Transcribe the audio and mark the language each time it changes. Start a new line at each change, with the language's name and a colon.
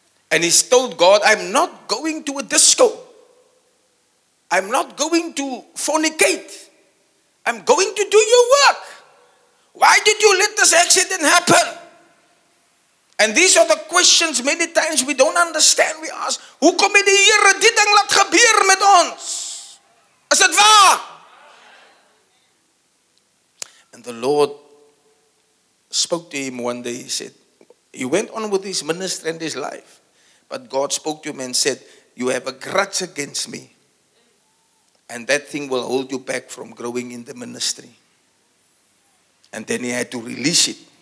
English: And he told God, I'm not going to a disco. I'm not going to fornicate. I'm going to do your work. Why did you let this accident happen? And these are the questions many times we don't understand. We ask,
Afrikaans: hoe kom het die Here dit ding laat gebeur met ons? Is dit waar?
English: And the Lord spoke to him one day. He said, he went on with his ministry and his life. But God spoke to him and said, you have a grudge against me. And that thing will hold you back from growing in the ministry. And then he had to release it.